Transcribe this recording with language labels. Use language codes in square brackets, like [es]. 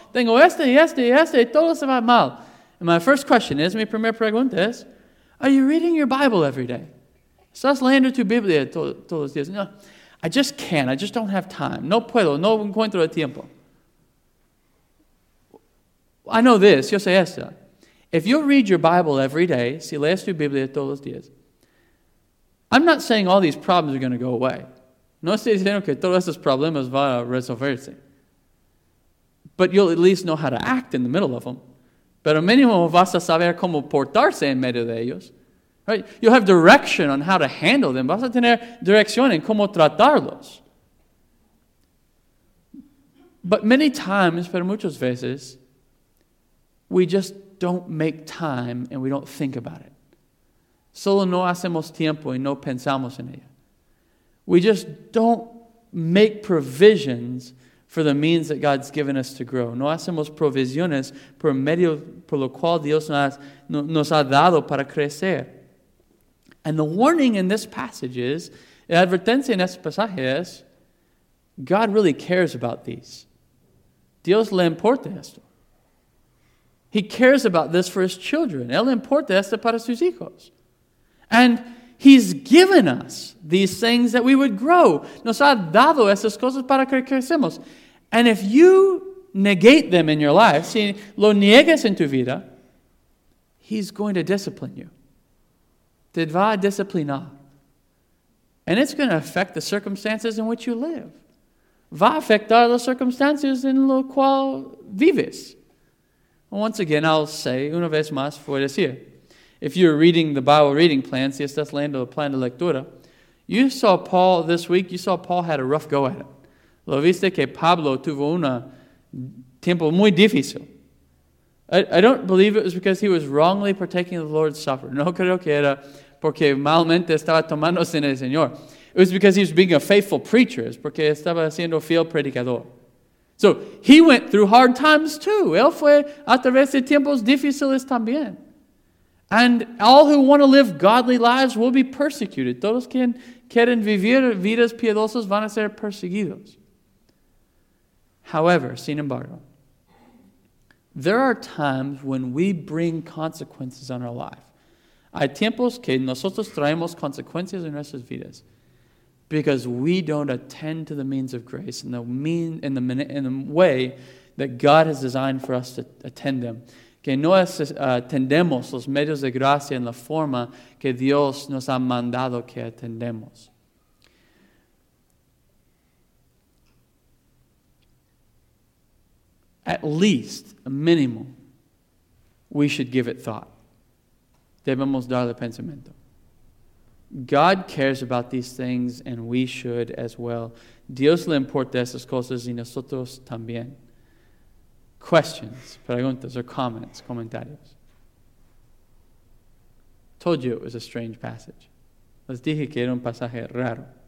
[es] Tengo este y este y este y todo se va mal. [en] And my first question is, [es] mi primera pregunta es, [en] are you reading your Bible every day? [es] ¿Estás leyendo tu Biblia todos los días? [en] No, I just can't. I just don't have time. [es] No puedo. No encuentro el tiempo. [en] I know this. [es] Yo sé esto. [en] If you read your Bible every day, [es] si lees tu Biblia todos los días, [en] I'm not saying all these problems are going to go away. [es] No estoy diciendo que todos estos problemas van a resolverse. [en] but you'll at least know how to act in the middle of them. [es] Pero mínimo vas a saber cómo portarse en medio de ellos. [en] Right? You'll have direction on how to handle them. [es] Vas a tener dirección en cómo tratarlos. [en] But many times, [es] pero muchas veces, [en] we just don't make time and we don't think about it. [es] Solo no hacemos tiempo y no pensamos en ello. [en] We just don't make provisions for the means that God's given us to grow. [es] No hacemos provisiones por medio por lo cual Dios nos ha dado para crecer. [en] And the warning in this passage is, [es] la advertencia en este pasaje es, [en] God really cares about these. [es] Dios le importa esto. [en] He cares about this for his children. [es] Él importa esto para sus hijos. [en] And he's given us these things that we would grow. [es] Nos ha dado esas cosas para que crecemos. [en] And if you negate them in your life, [es] si lo niegas en tu vida, [en] he's going to discipline you. [es] Te va a disciplinar. [en] And it's going to affect the circumstances in which you live. [es] Va a afectar las circunstancias en lo cual vives. [en] Once again, I'll say, [es] una vez más, voy a decir, [en] if you're reading the Bible reading plan, [es] si estás leyendo el plan de lectura, [en] you saw Paul this week, you saw Paul had a rough go at it. [es] Lo viste que Pablo tuvo un tiempo muy difícil. [en] I don't believe it was because he was wrongly partaking of the Lord's Supper. [es] No creo que era porque malmente estaba tomando sin el Señor. [en] It was because he was being a faithful preacher. [es] Es porque estaba siendo fiel predicador. [en] So he went through hard times too. [es] Él fue a través de tiempos difíciles también. [en] And all who want to live godly lives will be persecuted. [es] Todos quien quieren vivir vidas piadosas van a ser perseguidos. [en] However, [es] sin embargo, [en] there are times when we bring consequences on our life. [es] Hay tiempos que nosotros traemos consecuencias en nuestras vidas. [en] Because we don't attend to the means of grace in the way that God has designed for us to attend them. [es] Que no atendemos los medios de gracia en la forma que Dios nos ha mandado que atendemos. [en] At least, a minimum, we should give it thought. [es] Debemos darle pensamiento. [en] God cares about these things, and we should as well. [es] Dios le importa esas cosas y nosotros también. [en] Questions, preguntas, or comments, comentarios. Told you it was a strange passage. [es] Les dije que era un pasaje raro.